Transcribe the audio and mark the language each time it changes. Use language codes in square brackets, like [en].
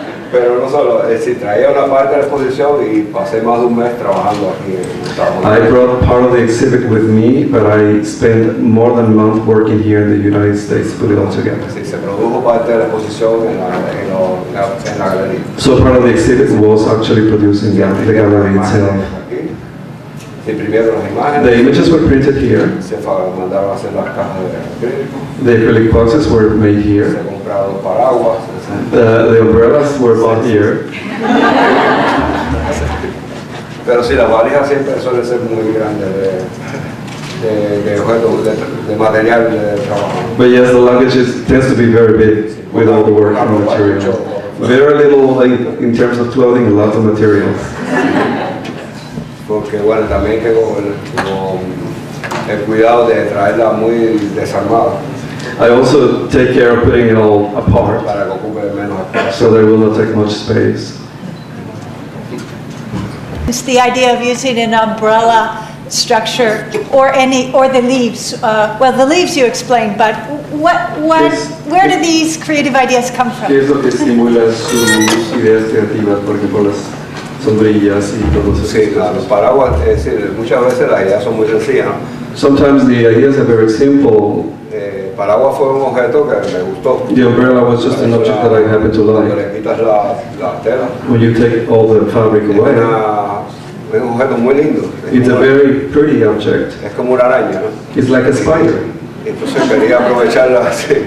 [es] Pero no solo, si traía una parte de la exposición y pasé más de un mes trabajando aquí en Estados Unidos. [en] I brought part of the exhibit with me, but I spent more than a month working here in the United States, put it all together. [es] Sí, se produjo parte de la exposición en la galería. [en] So part of the exhibit was actually produced in the gallery itself. The images were printed here. The acrylic boxes were made here. The umbrellas were bought here. [es] Pero sí, las valijas siempre suelen ser muy grandes de material de trabajo. [en] But yes, the luggage tends to be very big with all the work and material. Very little, like, in terms of clothing, a lot of materials. [es] Porque bueno, también tengo el cuidado de traerla muy desarmada. [en] I also take care of putting it all apart, so that it will not take much space. It's the idea of using an umbrella structure, or the leaves. Well, the leaves you explained, but where do these creative ideas come from? [es] Es lo que estimula sus ideas creativas, por ejemplo, las sombrillas y todo eso. Sí, los paraguas, es decir, muchas veces las ideas son muy sencillas, ¿no? [en] Sometimes the ideas are very simple. [es] Paraguas fue un objeto que me gustó. [en] The umbrella was just an object that I happened to like. [es] Le quitas la tela. [en] When you take all the fabric away. [es] Es un objeto muy lindo. [en] It's a very pretty object. [es] Es como una araña, ¿no? [en] It's like a spider. [es] Entonces quería aprovecharla así.